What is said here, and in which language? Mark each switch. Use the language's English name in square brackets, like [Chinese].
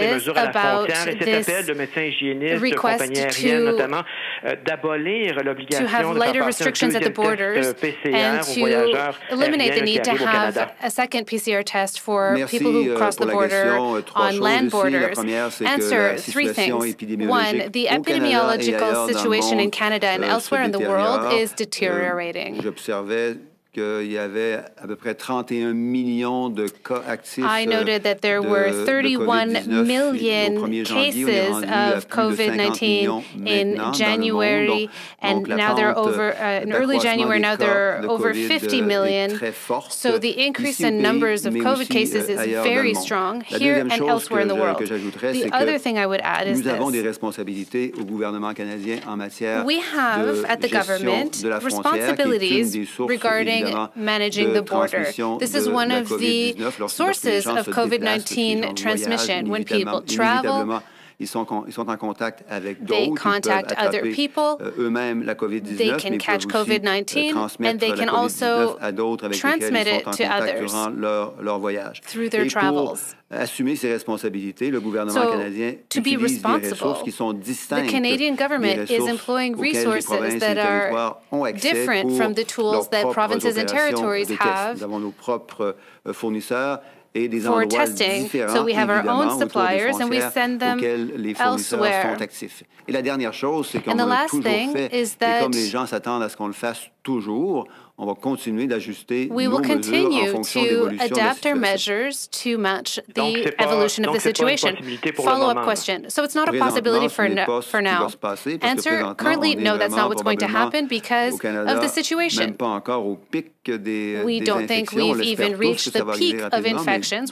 [French] les mesures à la cet appel de médecins hygiénistes, de compagnies aériennes, notamment, d'abolir l'obligation de faire passer un deuxième test PCR aux voyageurs aériens qui arrivent au Canada. [English] Test for people who cross the border on land borders. Answer, three things. One, the epidemiological situation in Canada and elsewhere in the world is deteriorating. [French] Qu'il y avait à peu près 31 millions de cas actifs. [English] I noted that there were 31 million cases of COVID-19 in January, and now they're over, in early January, now they're over 50 million. So the increase in numbers of COVID cases is very strong here and elsewhere in the world. The other thing I would add is this. [French] Nous avons des responsabilités au gouvernement canadien en matière [English] We have, at the government, responsibilities regarding managing the border. This is one of the sources of COVID-19 transmission. When people travel, they contact other people, they can catch COVID-19, and they can also transmit it to others through their travels. [French] Assumer ses responsabilités, le gouvernement canadien utilise des ressources qui sont distinctes des ressources auxquelles les provinces et les territoires ont accès pour leurs propres opérations de test. Nous avons nos propres fournisseurs et des endroits différents, [English] so we have [French] évidemment, [English] our own [French] autour des frontières auxquelles les fournisseurs sont actifs. Et la dernière chose, c'est qu'on a toujours fait, et comme les gens s'attendent à ce qu'on le fasse toujours, on va continuer d'ajuster nos mesures en fonction de l'évolution de la situation. [English] Adapt our measures to match the evolution of the situation. Follow-up question. So it's not a possibility for now. Answer, currently, no, that's not what's going to happen because of the situation. We don't think we've even reached the peak of infections.